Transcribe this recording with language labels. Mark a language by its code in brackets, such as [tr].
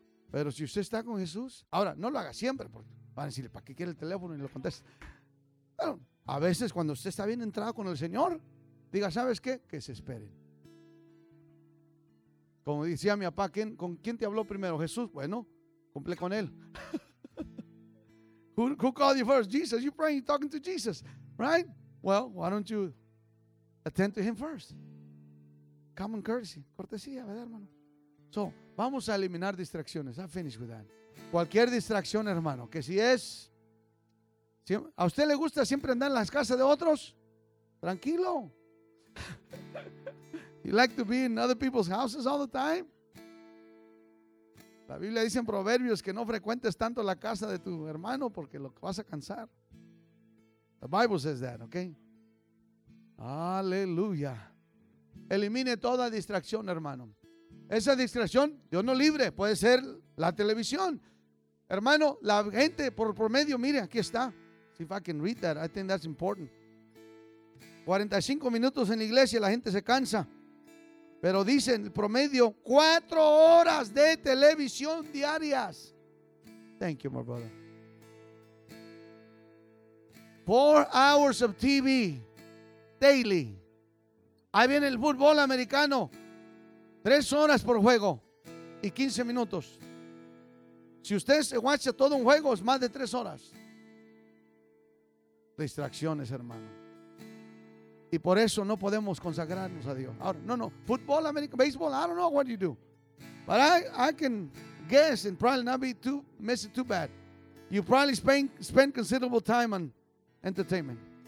[es] Pero si usted está con Jesús, ahora, no lo haga siempre, porque van a decirle, ¿para qué quiere el teléfono? Y lo contesta. Bueno, a veces cuando usted está bien entrado con el Señor, diga, ¿sabes qué? Que se esperen. Como decía mi papá, ¿con quién te habló primero? Jesús, bueno, cumple con él. [en] Who called you first? Jesus, you praying, you're talking to Jesus, right? Well, why don't you attend to him first? Common courtesy, [es] cortesía, ¿verdad, hermano? So, vamos a eliminar distracciones. [en] I finish with that. [es] Cualquier distracción, hermano, que si es... ¿A usted le gusta siempre andar en las casas de otros? Tranquilo. [en] You like to be in other people's houses all the time? [es] La Biblia dice en Proverbios que no frecuentes tanto la casa de tu hermano porque lo vas a cansar. [en] The Bible says that, okay? Aleluya. [es] Elimine toda distracción, hermano. Esa distracción, Dios no libre, puede ser la televisión. Hermano, la gente por promedio, mire, aquí está. [en] If I can read that, I think that's important. [es] 45 minutos en la iglesia, la gente se cansa. Pero dicen, el promedio, 4 horas de televisión diarias. [en] Thank you, my brother. 4 hours of TV daily. [es] Ahí viene el fútbol americano. 3 horas por juego y 15 minutos. Si usted se watcha todo un juego, es más de 3 horas. Distracciones, hermano. Y por eso no podemos consagrarnos a Dios. Ahora, no. [en] Football, American, baseball, I don't know what you do. But I can guess and probably not be too, miss it too bad. You probably spend considerable time on entertainment.